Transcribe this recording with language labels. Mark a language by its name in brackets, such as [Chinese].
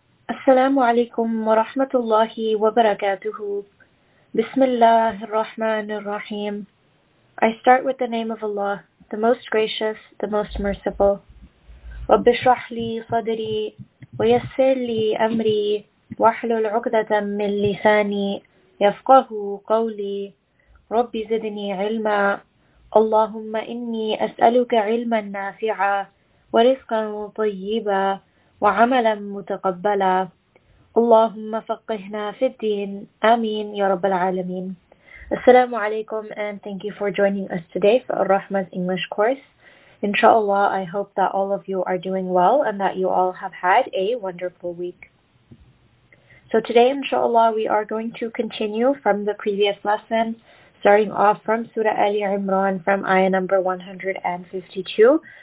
[Arabic] السلام عليكم ورحمة الله وبركاته. بسم الله الرحمن الرحيم. [English] I start with the name of Allah, the Most Gracious, the Most Merciful. [Arabic] رب اشرح لي صدري ويسر لي أمري واحلل عقدة من لساني يفقه قولي رب زدني علما. اللهم إني أسألك علما نافعا ورزقا طيبا وعملا متقبلا. اللهم فقهنا في الدين. آمين يا رب العالمين. السلام عليكم [English] and thank you for joining us today for Ar-Rahma's English course. Inshallah, I hope that all of you are doing well and that you all have had a wonderful week. So today, inshallah, we are going to continue from the previous lesson, starting off from Surah Ali Imran from ayah number 152.